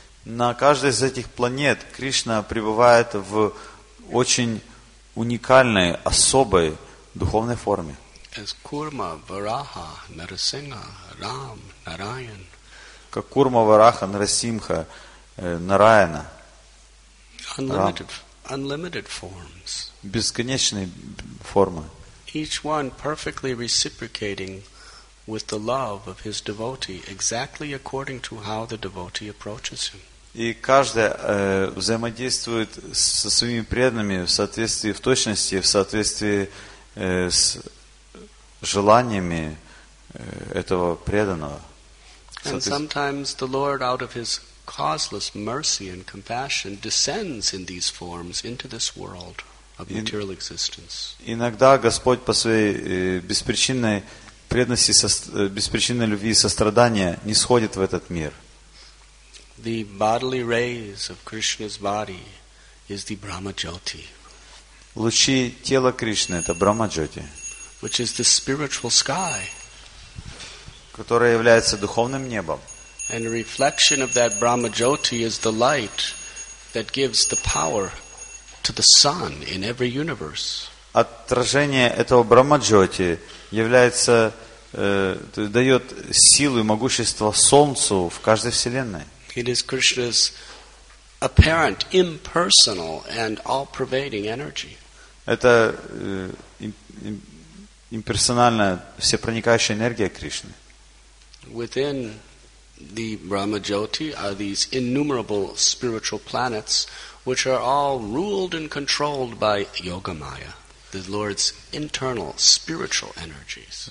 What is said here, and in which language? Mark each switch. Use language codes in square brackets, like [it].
[ru] На каждой из этих планет Кришна пребывает в очень уникальной, особой духовной форме. [en] As Kurma, Varaha, Narasimha, Ram, Narayan. [ru] Как Курма, Вараха, Нарасимха, Нараяна. [en] Unlimited forms. [ru] Бесконечные формы. [en] Each one perfectly reciprocating with the love of his devotee, exactly according to how the devotee approaches him. [ru] И каждая взаимодействует со своими преданными в соответствии, в точности, в соответствии с желаниями этого преданного. [en] And sometimes the Lord, out of his causeless mercy and compassion, descends in these forms into this world of material existence. [ru] Иногда Господь по своей беспричинной преданности, беспричинной любви и сострадания нисходит в этот мир. [en] The bodily rays of Krishna's body is the Brahma Jyoti. [ru] Лучи тела Кришны – это Брахма Джоти, [en] which is the spiritual sky, [ru] которое является духовным небом. [en] And a reflection of that Brahma Jyoti is the light that gives the power to the sun in every universe. [ru] Отражение этого Брахма Джоти является дает силу и могущество солнцу в каждой вселенной. [en] It is Krishna's apparent, impersonal, and all-pervading energy. [ru] Это имперсональная, всепроникающая энергия Кришны. [en] Within the Brahma Jyoti are these innumerable spiritual planets which are all ruled and controlled by Yogamaya, the Lord's internal spiritual energies.